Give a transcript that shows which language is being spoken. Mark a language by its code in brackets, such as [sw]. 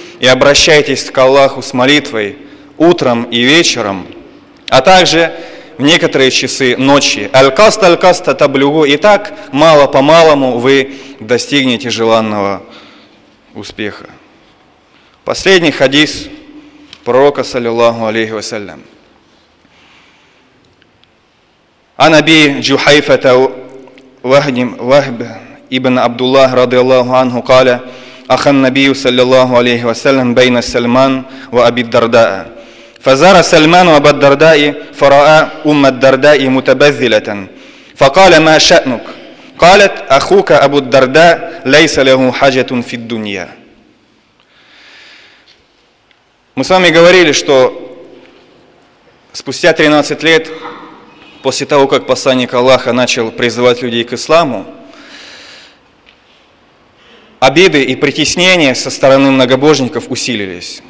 [ru] И обращайтесь к Аллаху с молитвой утром и вечером, а также в некоторые часы ночи. [ar] Аль-каста аль-каста таблюгу. [ru] И так мало по-малому вы достигнете желанного успеха. Последний хадис пророка, саллиллаху алейхи вассалям. [ar] عن أبي جحيفة وهب ابن عبد الله رضي الله عنه قال أخى النبي صلى الله عليه وسلم بين سلمان وأبي الدرداء فزار سلمان أبا الدرداء فرأى أم الدرداء متبذلة فقال ما شأنك قالت أخوك أبو الدرداء ليس له حاجة في الدنيا. [ru] Мы с вами говорили, что спустя 13 лет после того, как посланник Аллаха начал призывать людей к исламу, обиды и притеснения со стороны многобожников усилились.